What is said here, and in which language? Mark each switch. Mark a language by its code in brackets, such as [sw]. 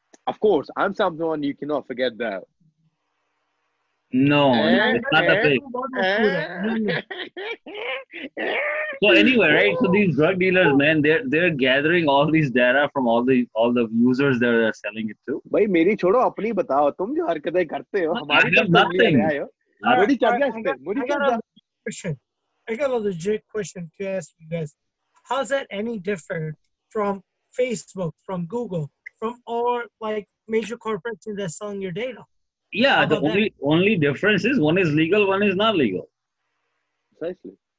[en] Of course. I'm someone you cannot forget that. No, it's not the pig. So anyway, right? So these drug dealers, man, they're gathering all these data from all the users that they're selling it to. [hi] भाई मेरी छोड़ो अपनी बताओ तुम जो हरकतें करते हो हमारी तो [en] nothing. [hi] मुड़ी चल गया इसपे मुड़ी चल गया. [en] Question. I got a legit question to ask you guys. How's that any different from Facebook, from Google, from all like major corporations that are selling your data? Yeah, the only difference is one is legal, one is not legal. Precisely.